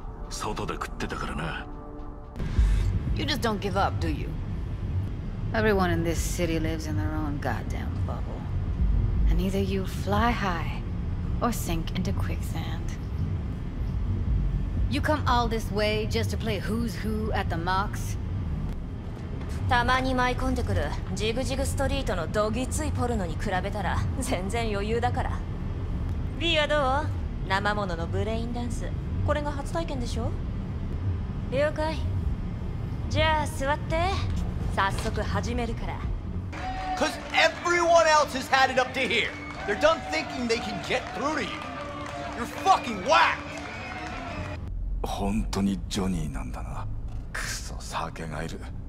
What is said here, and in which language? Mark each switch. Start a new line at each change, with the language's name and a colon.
Japanese: にしても何なんだ、この趣味の悪さは。なんだこりゃ、まるでモデルルームみたいな部屋だな。ケリーはこんなの選ばねえ。あいつはいつも外で食ってたからな。
English: You just don't give up, do you? Everyone in this city lives in their own goddamn bubble. And either you fly high or sink into quicksand. You come all this way just to play who's who at the Mox?
Japanese: たまに舞い込んでくるジグジグストリートのどぎついポルノに比べたら全然余裕だから。ビーはどう？生もののブレインダンス。これが初体験でしょ？了解。じゃあ座って、早速始めるから。
English: Cause everyone else has had it up to here. They're done thinking they can get through to you. You're fucking whack!
Japanese: 本当にジョニーなんだな。クソ、酒がいる。